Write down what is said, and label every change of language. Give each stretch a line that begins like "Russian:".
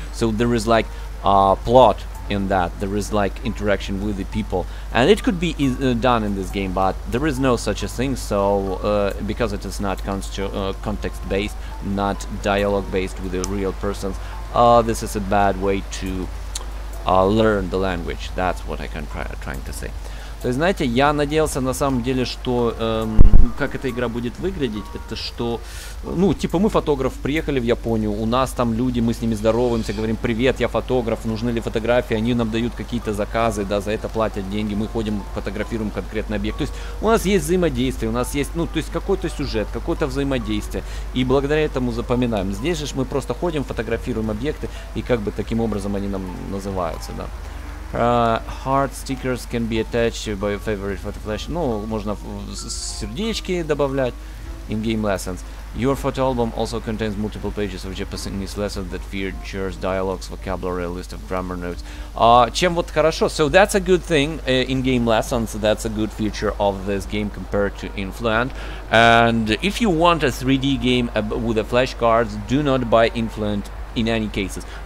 English: So there is like a plot in that, there is like interaction with the people, and it could be done in this game, but there is no such a thing. So because it is not context based, not dialogue based with the real persons, this is a bad way to learn the language. That's what I can trying to say.
Russian: То есть, знаете, я надеялся на самом деле, что как эта игра будет выглядеть, это что, ну, типа мы фотограф, приехали в Японию, у нас там люди, мы с ними здороваемся, говорим, привет, я фотограф, нужны ли фотографии, они нам дают какие-то заказы, да, за это платят деньги, мы ходим, фотографируем конкретный объект. То есть, у нас есть взаимодействие, у нас есть, ну, то есть, какой-то сюжет, какое-то взаимодействие, и благодаря этому запоминаем. Здесь же мы просто ходим, фотографируем объекты, и как бы таким образом они нам называются, да.
English: Heart stickers can be attached by your favorite photo flash.
Russian: Ну, можно сердечки добавлять.
English: In-game lessons. Your photo album also contains multiple pages of Japanese lessons that features dialogues, vocabulary, a list of grammar notes.
Russian: Чем вот хорошо?
English: So that's a good thing, in-game lessons. That's a good feature of this game compared to Influent. And if you want a 3D game with a flashcards, do not buy Influent in any cases.